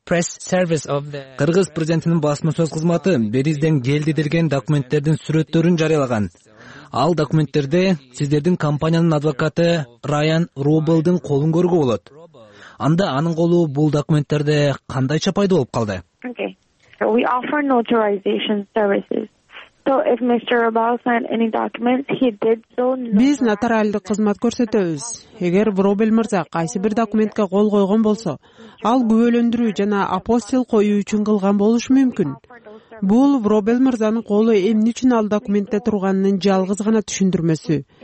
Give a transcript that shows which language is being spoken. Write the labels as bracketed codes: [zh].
[ky] Press service of the Кыргыз президентинин басма сөз кызматы Белизден келди деген документтердин сүрөттөрүн жарыялаган. Ал документтерде сиздердин компаниянын адвокаты Райан Рублдын колун көрүүгө болот. Анда анын колу бул документтерде кандайча пайда болуп калды? Okay. [en] So we offer notarization services. So if Mr. Robel sent any documents, he did so. [ky] Биз нотариалдык кызмат көрсөтөбүз. Эгер Робел мырза кайсы бир документке кол койгон болсо, ал күбөлөндүрүү жана апостил коюу үчүн кылган болушу мүмкүн. Бул Робел мырзанын колу эмне үчүн ал документте турганынын жалгыз гана түшүндүрмөсү.